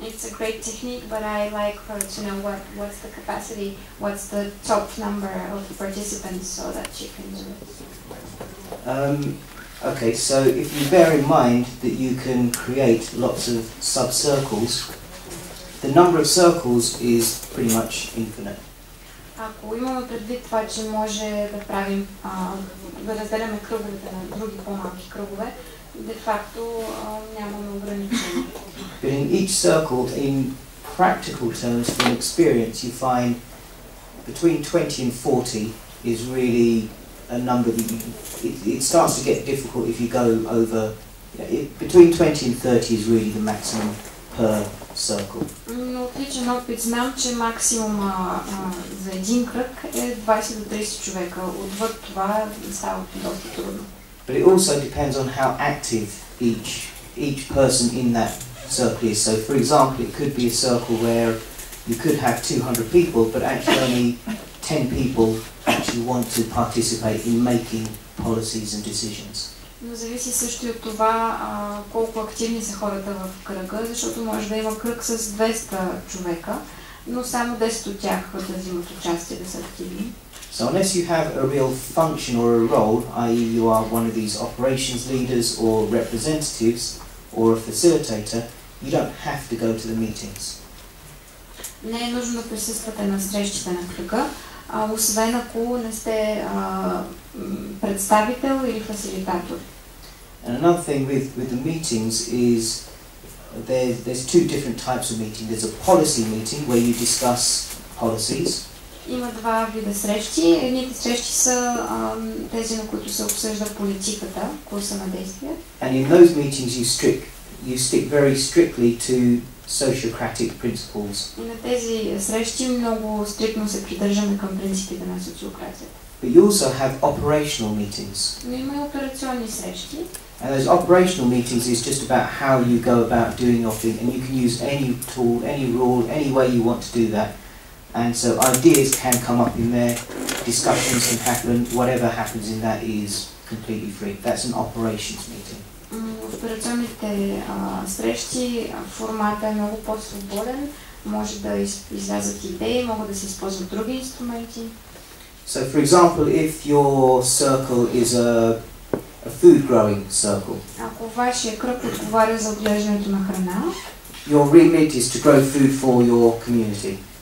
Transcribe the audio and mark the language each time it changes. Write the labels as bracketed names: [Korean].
[English] It's a great technique, but I like for to know what's the capacity, what's the top number of participants so that you can do it. Okay, so if you bear in mind that you can create lots of sub-circles, the number of circles is pretty much infinite. [Bulgarian] Ако имаме предвид това, че може да правим, да разделяме кръговете на други по-малки кръгове, де факто нямаме ограничение. [English] But in each circle, in practical terms, from experience, you find between 20 and 40 is really a number that it starts to get difficult if you go over, between 20 and 30 is really the maximum per circle. [Bulgarian] Но от личен опит знам, че максимума за един кръг е 20 до 30 човека. Отвъд това става доста трудно. [English] But it also depends on how active each person in that circle is. So for example, it could be a circle where you could have 200 people, but actually only 10 people actually want to participate in making policies and decisions. [Bulgarian] Но зависи също и от това колко активни са хората в кръга, защото може да има кръг с 200 човека, но само 10 от тях да взимат участие да са активни. [English] So unless you have a real function or a role, i.e. you are one of these operations leaders or representatives or a facilitator, you don't have to go to the meetings. [Bulgarian] Не е нужно да присъствате на срещите на кръга, освен ако не сте представител или фасилитатор. [English] And another thing with the meetings is there's two different types of meeting. There's a policy meeting where you discuss policies. [Bulgarian] Има два вида срещи. Едните срещи са тези, на които се обсъжда политиката, курса на действие. [English] And in those meetings you stick very strictly to sociocratic principles. [Bulgarian] И на тези срещи много стриктно се придържаме към принципите на социокрацията. [English] But you also have operational meetings. [Bulgarian] Но има и операционни срещи. [English] And those operational meetings is just about how you go about doing your thing, and you can use any tool, any rule, any way you want to do that. And so ideas can come up in there, discussions can happen, whatever happens in that is completely free. That's an operations meeting. [Bulgarian] Операционните срещи, формата е много по-свободен, може да излязат идеи, могат да се използват други инструменти. [English] So for example, if your circle is a food growing circle. [Bulgarian] Ако вашия кръг отговаря за отглеждането на храна. [English] Your remit is to grow food for your community.